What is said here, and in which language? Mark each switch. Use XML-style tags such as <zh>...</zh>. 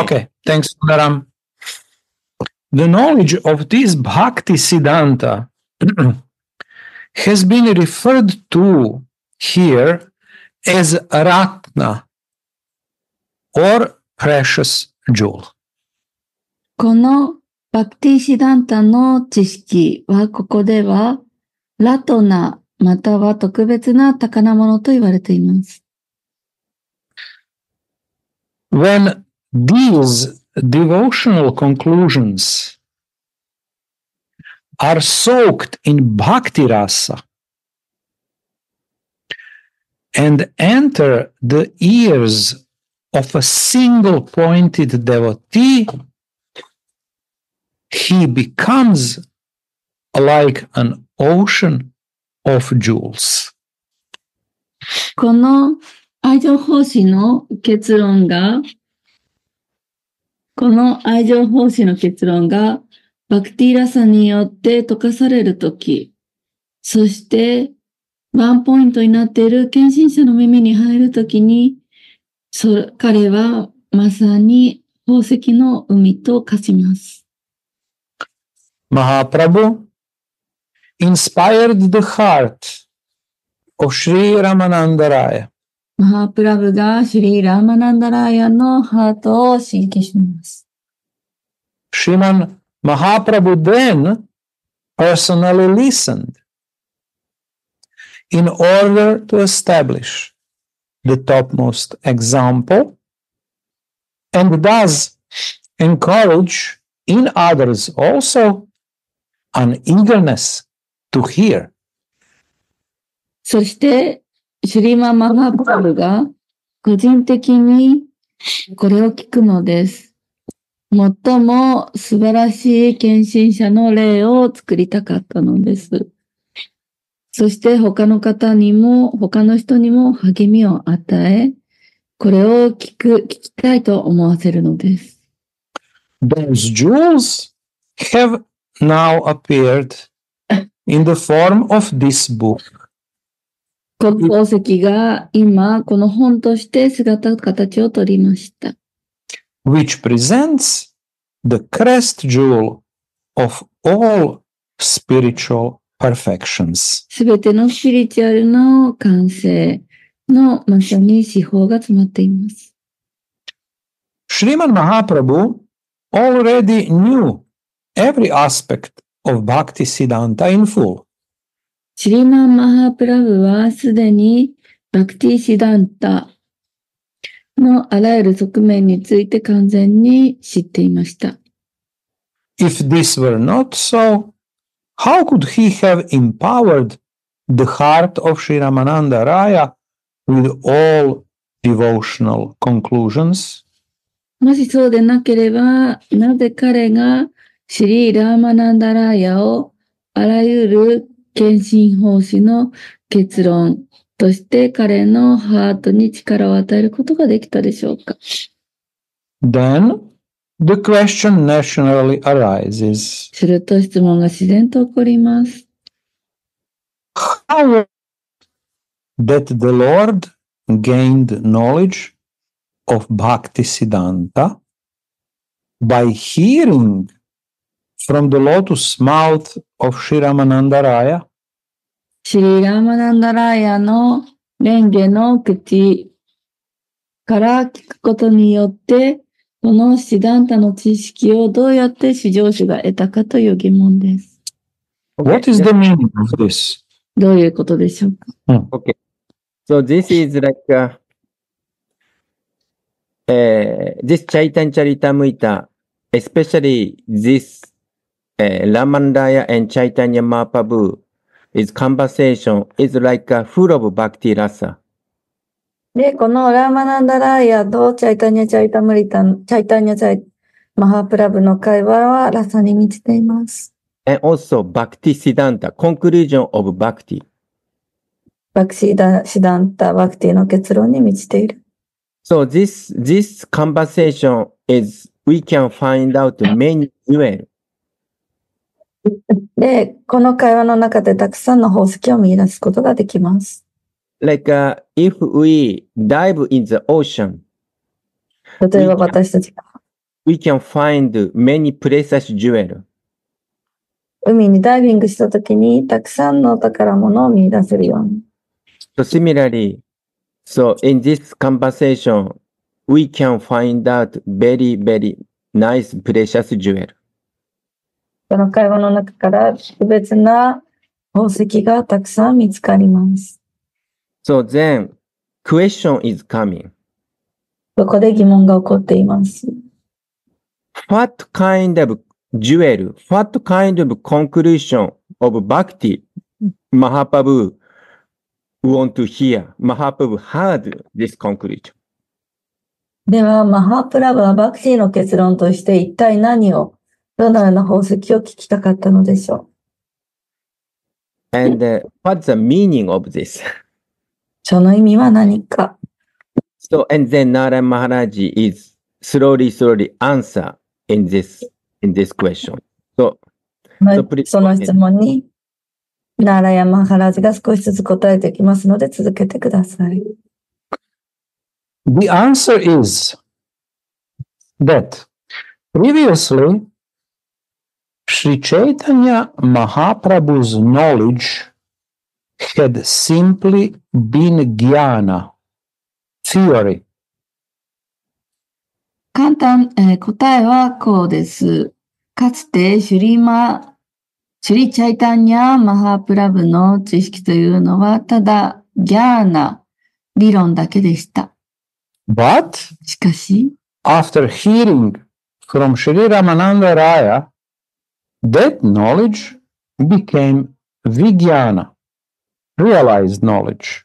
<en>Okay, thanks, Madam. The knowledge of this Bhakti Siddhanta has been referred to here as Ratna or precious jewel.</en> <ja>このバクティシダンタの知識はここではラトナ、または特別な宝物と言われています。</ja> <en>When these devotional conclusions are soaked in bhakti rasa and enter the ears of a single-pointed devotee, he becomes like an ocean of jewels.</en> <ja>この愛情奉仕の結論が、この愛情奉仕の結論が、バクティラサによって溶かされるとき、そしてワンポイントになっている献身者の耳に入るときに、彼はまさに宝石の海と化します。</ja> <en>Mahaprabhu inspired the heart of Sri Ramananda Raya.</en> <ja>Mahaprabhu がシリーラマナンダラヤのハートを刺激します。</ja> <en>Shriman Mahaprabhu then personally listened in order to establish the topmost example and thus encourage in others also an eagerness to hear.</en> <ja>そしてシリマ・マハプラブが個人的にこれを聞くのです。最も素晴らしい献身者の例を作りたかったのです。そして他の方にも、他の人にも励みを与え、これを聞きたいと思わせるのです。</ja> <en>Those jewels have now appeared in the form of this book.</en> <ja>この宝石が今この本として姿形を取りました。</ja> <en>Which presents the crest jewel of all spiritual perfections.</en> <ja>すべてのスピリチュアルの完成のまさに至宝が詰まっています。</ja> <en>Shriman Mahaprabhu already knew every aspect of Bhakti Siddhanta in full.</en> <ja>シリマン・マハプラブはすでにバクティ・シダンタのあらゆる側面について完全に知っていました。</ja> <en>If this were not so, how could he have empowered the heart of Sri Ramananda Raya with all devotional conclusions?</en> <ja>もしそうでなければ、なぜ彼がシリ・ラーマナンダ・ラーヤをあらゆる献身奉仕の結論として彼のハートに力を与えることができたでしょうか。</ja> <en>Then the question naturally arises.</en> <ja>すると質問が自然と起こります。</ja> <en>How that the Lord gained knowledge of Bhakti Siddhanta by hearing from the lotus mouth of Sri Ramananda Raya?</en> <ja>シリラマナンダラヤの蓮華の口から聞くことによって、このシダンタの知識をどうやって至上主が得たかという疑問です。</ja> <en>What is the meaning of this?</en> <ja>どういうことでしょうか、</ja> <en>Okay. So this is like a, this Chaitanya Charitamrita, especially this, Ramananda and Chaitanya Mahaprabhu,Its conversation is like a full of bhakti rasa.</en> <ja>で、このラーマナンダラーヤとチャイタニャチャイタムリタ、チャイタニャチャイマハプラブの会話はラサに満ちています。</ja> <en>And also bhakti siddhanta, conclusion of bhakti.</en> <ja>Bhakti siddhanta, bhakti の結論に満ちている。</ja> <en>So this conversation is, we can find out many nuances.</en> <ja>で、この会話の中でたくさんの宝石を見出すことができます。</ja> <en>Like, if we dive in the ocean,</en> <ja>例えば私たちが、</ja> <en>we can find many precious jewels.</en> <ja>海にダイビングしたときにたくさんの宝物を見出せるように。</ja> <en>So similarly, so in this conversation, we can find out very, very nice precious jewels.</en> <ja>この会話の中から特別な宝石がたくさん見つかります。</ja> <en>So then, question is coming.</en> <ja>そこで疑問が起こっています。</ja> <en>What kind of jewel, what kind of conclusion of Bhakti Mahaprabhu want to hear? Mahaprabhu heard this conclusion.</en> <ja>では、マハプラブはバクティの結論として一体何を、どのような宝石を聞きたかったのでしょう。</ja> <en>And what's the meaning of this?</en> <ja>その意味は何か。</ja> <en>So, and then Nara Maharaj is slowly, slowly answer in this question. So,</en> <ja>その質問に、ナーラヤ・マハラジが少しずつ答えていきますので続けてください。</ja> <en>The answer is that previously Sri Chaitanya Mahaprabhu's knowledge had simply been jnana, theory.</en> <ja>簡単、答えはこうです。かつてシュリチャイタニャマハプラブの知識というのはただジャーナ理論だけでした。</ja> <en>But</en> <ja>しかし、</ja> <en>after hearing from Sri Ramananda Raya, that knowledge became vijnana, realized knowledge.</en>